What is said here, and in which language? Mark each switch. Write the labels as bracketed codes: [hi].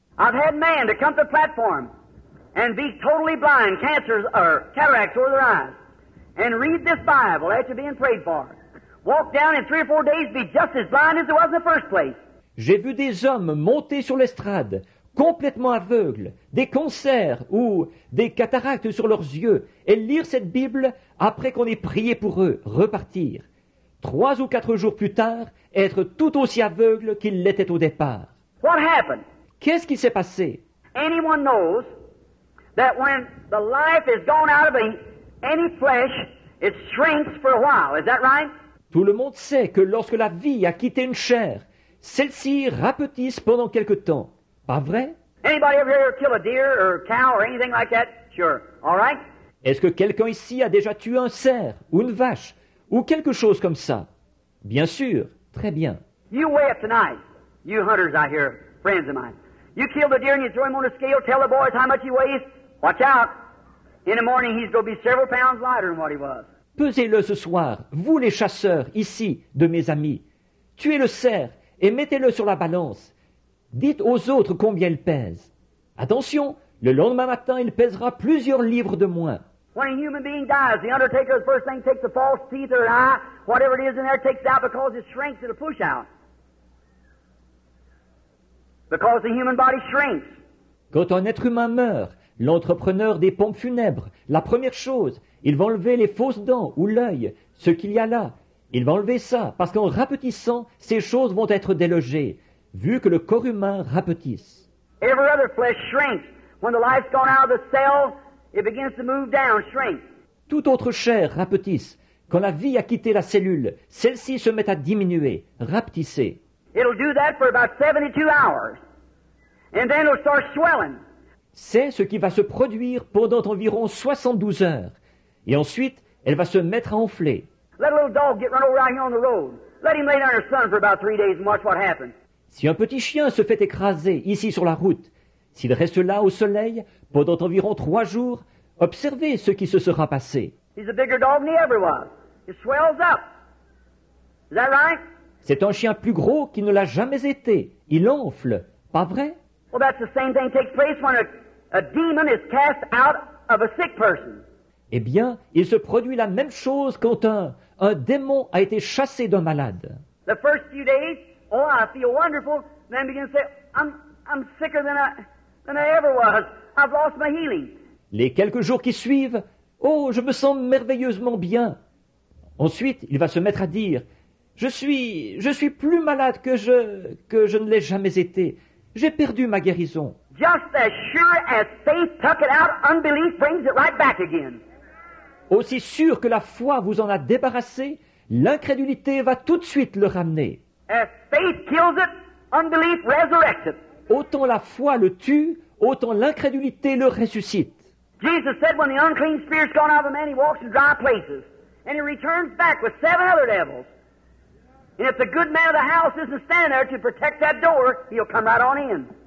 [en] I've had man to come to the platform and be totally blind, cancers or cataracts over their eyes, and read this Bible after being prayed for. Walk down in three or four days, be just as blind as it was in the first place. [fr] J'ai vu des hommes monter sur l'estrade, complètement aveugles, des cancers ou des cataractes sur leurs yeux, et lire cette Bible après qu'on ait prié pour eux, repartir. Trois ou quatre jours plus tard, être tout aussi aveugles qu'ils l'étaient au départ. [en] What happened? [fr] Qu'est-ce qui s'est passé? [en] Anyone knows that when the life is gone out of any flesh, it shrinks for a while. Is that right? [fr] Tout le monde sait que lorsque la vie a quitté une chair, celle-ci rapetisse pendant quelque temps. Pas vrai? [en] Anybody ever kill a deer or a cow or anything like that? Sure. All right? [fr] Est-ce que quelqu'un ici a déjà tué un cerf ou une vache ou quelque chose comme ça? Bien sûr. Très bien. [en] You weigh up tonight, you hunters out here, friends of mine. You kill the deer and you throw him on a scale, tell the boys how much he weighs. Watch out. In the morning, he's going to be several pounds lighter than what he was. [fr] Pesez-le ce soir, vous les chasseurs, ici, de mes amis. Tuez le cerf et mettez-le sur la balance. Dites aux autres combien il pèse. Attention, le lendemain matin, il pèsera plusieurs livres de moins. [en] When a human being dies, the undertaker, the first thing, takes the false teeth or an eye, whatever it is in there, takes it out because it shrinks, it'll push out. Because the human body shrinks. [fr] Quand un être humain meurt, l'entrepreneur des pompes funèbres, la première chose, il va enlever les fausses dents ou l'œil, ce qu'il y a là. Il va enlever ça, parce qu'en rapetissant, ces choses vont être délogées, vu que le corps humain rapetisse. [en] Every other flesh shrinks. When the life's gone out of the cell, it begins to move down, shrink. [fr] Toute autre chair rapetisse. Quand la vie a quitté la cellule, celle-ci se met à diminuer, rapetisser. [en] It'll do that for about 72 hours. And then it'll start swelling. [fr] C'est ce qui va se produire pendant environ 72 heures. Et ensuite, elle va se mettre à enfler. [en] Let a little dog get run over out here on the road. Let him lay down in the sun for about 3 days and watch what happens. [fr] Si un petit chien se fait écraser ici sur la route, s'il reste là au soleil pendant environ 3 jours, observez ce qui se sera passé. [en] He's a bigger dog than he ever was. It swells up. Is that right? [fr] C'est un chien plus gros qu'il ne l'a jamais été. Il enfle, pas vrai? [en] Well, that's the same thing takes place when a demon is cast out of a sick person. [fr] Eh bien, il se produit la même chose quand un démon a été chassé d'un malade. [en] The first few days, oh, I feel wonderful. Then begin to say, I'm sicker than I ever was. I've lost my healing. [fr] Les quelques jours qui suivent, oh, je me sens merveilleusement bien. Ensuite, il va se mettre à dire, je suis plus malade que je ne l'ai jamais été. J'ai perdu ma guérison. [en] Just as sure as faith took it out, unbelief brings it right back again. [fr] Aussi sûr que la foi vous en a débarrassé, l'incrédulité va tout de suite le ramener. [en] As faith kills it, unbelief resurrects it. [fr] Autant la foi le tue, autant l'incrédulité le ressuscite. [en] Jesus said when the unclean spirit's gone out of a man, he walks in dry places. And he returns back with seven other devils. And if the good man of the house isn't standing there to protect that door, he'll come right on in.